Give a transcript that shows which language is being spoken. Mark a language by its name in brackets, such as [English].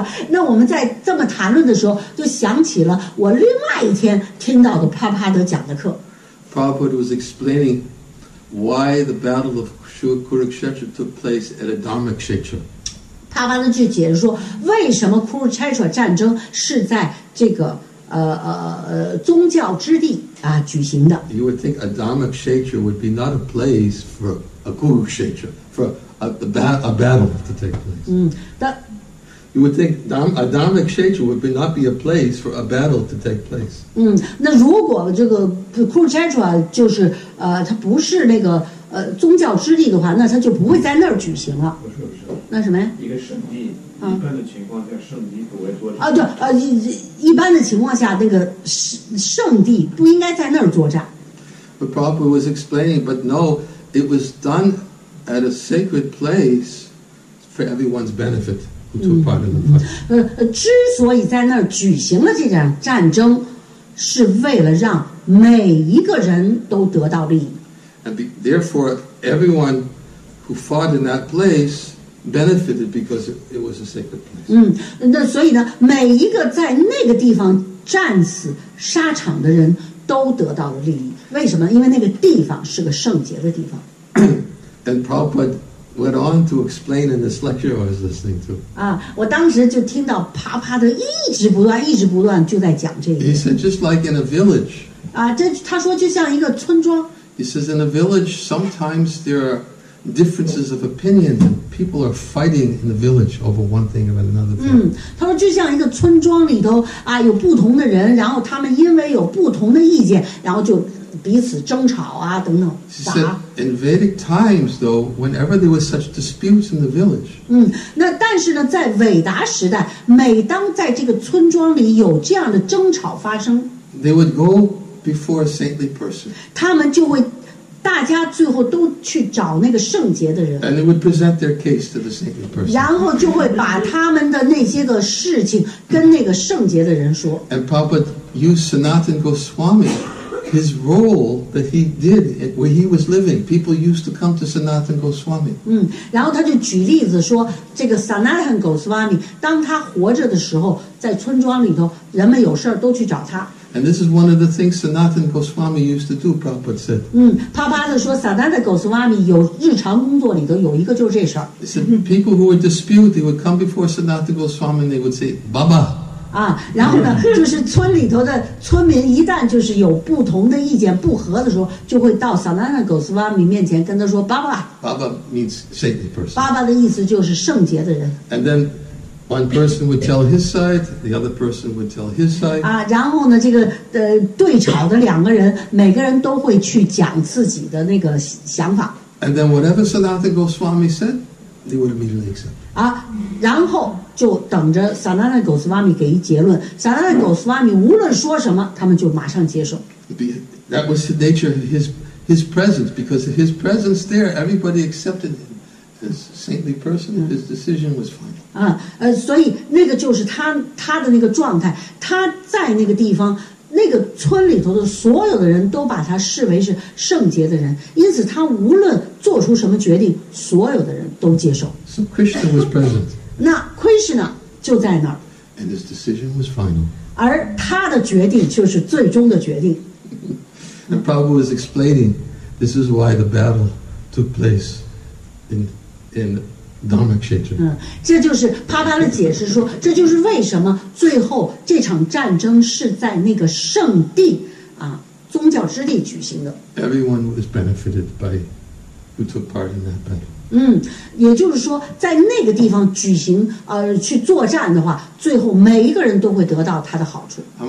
[Chinese] 那我们在这么谈论的时候，就想起了我另外一天听到的帕帕德讲的课。 [English] Prabhupada was explaining why the battle of Kurukshetra took place at a Dharmakshetra. [Chinese] 他完了就解释说，为什么库尔柴舍战争是在这个宗教之地啊举行的。 [English] You would think a Dharmakshetra would be not a place for a Kurukshetra, for a battle to take place. 嗯， You would think a Dharmakshetra would be not be a place for a battle to take place. [Chinese] 嗯，那如果这个 Kurukshetra 就是它不是那个宗教之地的话，那它就不会在那儿举行了。不是不是，那什么呀？一个圣地。一般的情况下，圣地不会作战。啊，对，一般的情况下，那个圣地不应该在那儿作战。 [English] But Prabhupada was explaining, but no, it was done at a sacred place for everyone's benefit who took part in the fight. [Chinese] 之所以在那儿举行了这场战争，是为了让每一个人都得到利益。 [English] And therefore, everyone who fought in that place. Benefited because it was a sacred place. [Chinese] 嗯，那所以呢，每一个在那个地方战死沙场的人都得到了利益。为什么？因为那个地方是个圣洁的地方。 [English] And Prabhupada went on to explain in this lecture I was listening to. [Chinese] 啊，我当时就听到啪啪的一直不断，一直不断就在讲这个。 [English] He said just like in a village. [Chinese] 啊，这他说就像一个村庄。 [English] He says in a village sometimes there are. Differences of opinion, and people are fighting in the village over one thing or another thing. [Chinese] 嗯，他说就像一个村庄里头啊，有不同的人，然后他们因为有不同的意见，然后就彼此争吵啊，等等。 [English] She said, in Vedic times, though, whenever there were such disputes in the village. [Chinese] 嗯，那但是呢，在韦达时代，每当在这个村庄里有这样的争吵发生 [English] ，they would go before a saintly person. [Chinese] 他们就会。大家最后都去找那个圣洁的人 [English] ，and they would present their case to the saintly person. [Chinese] 然后就会把他们的那些个事情跟那个圣洁的人说。 [English] And Prabhupada used Sanatan Goswami, his role that he did where he was living. People used to come to Sanatan Goswami. [Chinese] 嗯，然后他就举例子说，这个 Sanatan Goswami 当他活着的时候，在村庄里头，人们有事都去找他。 [English] And this is one of the things Sanatan Goswami used to do, Prabhupada said. [Chinese] 嗯，啪啪的说 ，Sanatan Goswami 有日常工作里头有一个就是这事儿。 [English] He said people who would dispute, they would come before Sanatan Goswami and they would say, "Baba." [Chinese] 啊，然后呢，就是村里头的村民一旦就是有不同的意见不合的时候，就会到 Sanatan Goswami 面前跟他说 "Baba." [English] Baba means saintly person. [Chinese] Baba 的意思就是圣洁的人。 [English] And then. One person would tell his side, the other person would tell his side. [Chinese] 啊，然后呢，这个对吵的两个人，每个人都会去讲自己的那个想法。 [English] And then whatever Sanatan Goswami said, they would immediately accept. [Chinese] 啊，然后就等着 Sanatan Goswami 给一结论。 Sanatan Goswami 无论说什么，他们就马上接受。 [English] That was the nature of his presence, because of his presence there, everybody accepted him. This saintly person, his decision was final. [Chinese] 所以那个就是他的那个状态。他在那个地方，那个村里头的所有的人都把他视为是圣洁的人，因此他无论做出什么决定，所有的人都接受。 [English] So Krishna was present. [Chinese] 那 Krishna 就在那儿。 [English] And his decision was final. [Chinese] 而他的决定就是最终的决定。 [English] And Prabhupada was explaining, this is why the battle took place in. In Dharmakshetra. [Chinese] 嗯，这就是啪啪的解释说，这就是为什么最后这场战争是在那个圣地啊，宗教之地举行的。 [English] Everyone was benefited by who took part in that battle. [Chinese] 嗯，也就是说，在那个地方举行去作战的话，最后每一个人都会得到他的好处。